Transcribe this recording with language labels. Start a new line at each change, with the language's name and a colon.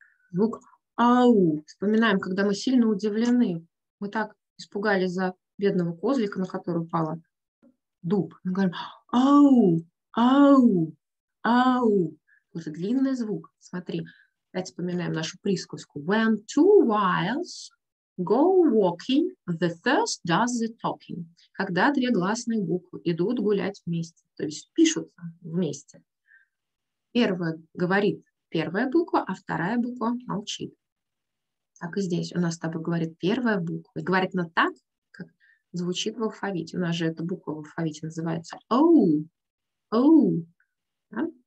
Russian: Звук ау. Вспоминаем, когда мы сильно удивлены. Мы так испугались за бедного козлика, на который упала дуб. Мы говорим ау, ау, ау. Это длинный звук. Смотри, давайте вспоминаем нашу присказку.
English: When two whales go walking, the first does the talking.
Russian: Когда две гласные буквы идут гулять вместе, то есть пишутся вместе. Первая говорит первая буква, а вторая буква молчит. Так и здесь у нас с тобой говорит первая буква. И говорит она так, звучит в алфавите. У нас же эта буква в алфавите называется «оу». «Оу». Да?